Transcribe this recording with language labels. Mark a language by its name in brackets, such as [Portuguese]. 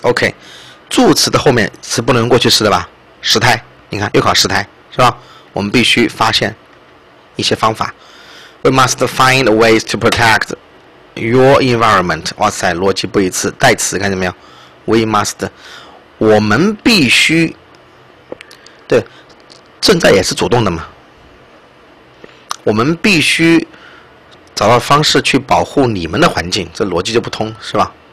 [Chinese] OK， 助词的后面词不能用过去式的吧？时态，你看又考时态是吧？我们必须发现一些方法。 [English] We must find ways to protect your environment. [Chinese] 哇塞，逻辑不一致，代词看见没有 ？ [English] We must， [Chinese] 我们必须，对，正在也是主动的嘛。我们必须找到方式去保护你们的环境，这逻辑就不通是吧？